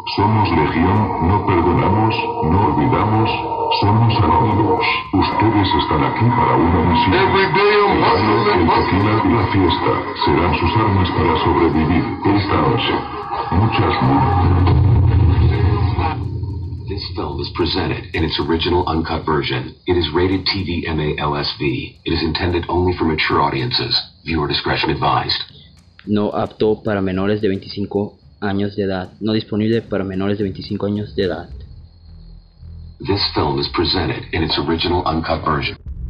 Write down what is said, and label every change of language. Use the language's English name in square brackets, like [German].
[Spanish] Somos legión, no perdonamos, no olvidamos, somos anónimos. Ustedes están aquí para una misión. El baile, la fiesta serán sus armas para sobrevivir esta noche. Muchas gracias. [English] This film is presented in its original uncut version. It is rated TV-MA-LSV. It is intended only for mature audiences. Viewer discretion advised. [Spanish] No apto para menores de 25 años de edad, no disponible para menores de 25 años de edad. [English] This film is presented in its original uncut version.